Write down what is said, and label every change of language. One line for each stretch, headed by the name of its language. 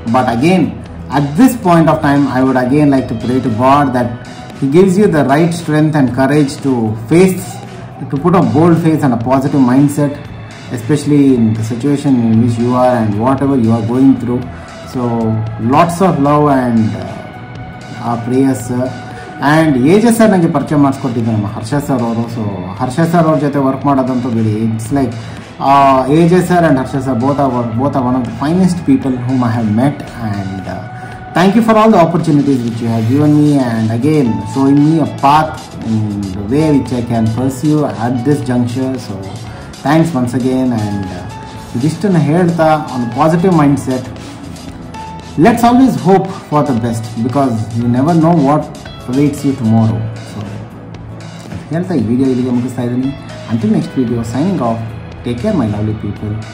English: But again, at this point of time, I would again like to pray to God that He gives you the right strength and courage to face, to put a bold face and a positive mindset, especially in the situation in which you are and whatever you are going through. So, lots of love and our prayers, sir.
Kannada: And ಏಜೆ sir ನನಗೆ ಪರಿಚಯ ಮಾಡಿಸ್ಕೊಟ್ಟಿದ್ದೆ ನಮ್ಮ ಹರ್ಷ sir ಅವರು. So ಹರ್ಷ sir ಅವ್ರ ಜೊತೆ work ಮಾಡೋದಂತೂ ಬಿಡಿ,
English: It's like AJ sir and Harsha sir both are one of the finest people whom I have met. And thank you for all the opportunities which you have given me and again showing me a path in the way which I can pursue at this juncture. So thanks once again. And
Kannada: ಇದಿಷ್ಟನ್ನು ಹೇಳ್ತಾ ಒಂದು
English: Positive mindset, let's always hope for the best because you never know what awaits you tomorrow. So here's the video I'll be able to say to me. Until next video, signing off. Take care, my lovely people.